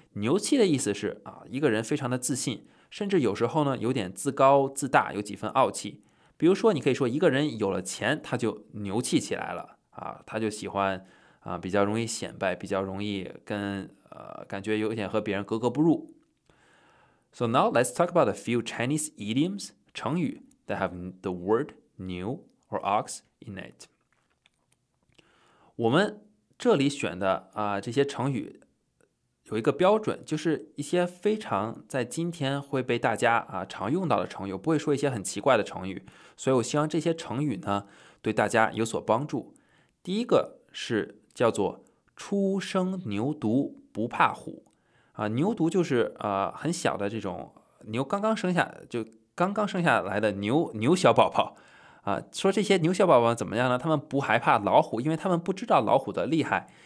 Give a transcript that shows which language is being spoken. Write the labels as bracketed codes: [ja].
[zh] 牛气的意思是一个人非常的自信，甚至有时候呢有点自高自大，有几分傲气。比如说你可以说一个人有了钱他就牛气起来了他就喜欢比较容易显摆，比较容易跟感觉有点和别人格格不入。 [en] So now let's talk about a few Chinese idioms 成语 that have the word 牛 or ox in it。 [zh] 我们这里选的这些成语有一个标准，就是一些非常在今天会被大家常用到的成语，不会说一些很奇怪的成语，所以我希望这些成语呢对大家有所帮助。第一个是叫做初生牛犊不怕虎牛犊就是很小的这种牛，刚刚生下来的牛小宝宝说这些牛小宝宝怎么样呢？他们不害怕老虎，因为他们不知道老虎的厉害。